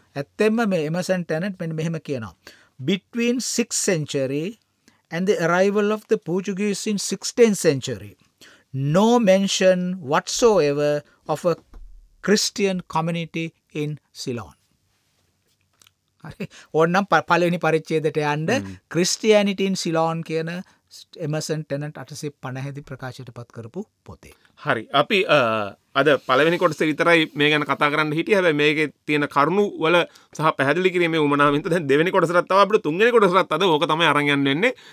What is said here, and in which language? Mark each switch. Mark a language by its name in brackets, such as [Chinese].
[Sinhala] ඇත්තෙන්ම මේ එමසන් ටැනට් මෙන්න මෙහෙම කියනවා. [English] Between 6th century and the arrival of the Portuguese in 16th century, no mention whatsoever of a Christian community in Ceylon. [Sinhala] ඕනම් පළවෙනි පරිච්ඡේදයට යන්න ක්‍රිස්තියානිටි ඉන් සිලෝන් කියන එමර්සන් ටෙනන්ට් 850 දී ප්‍රකාශයට පත් කරපු පොතේ. හරි. අපි අද පළවෙනි කොටස විතරයි මේ ගැන කතා කරන්න හිටියේ. හැබැයි මේකේ තියෙන කරුණු වල සහ පැහැදිලි කිරීමේ උමනාවෙන් දැන් දෙවෙනි කොටසට තව අපිට තුන්වෙනි කොටසට අද ඕක තමයි අරන් යන්න වෙන්නේ.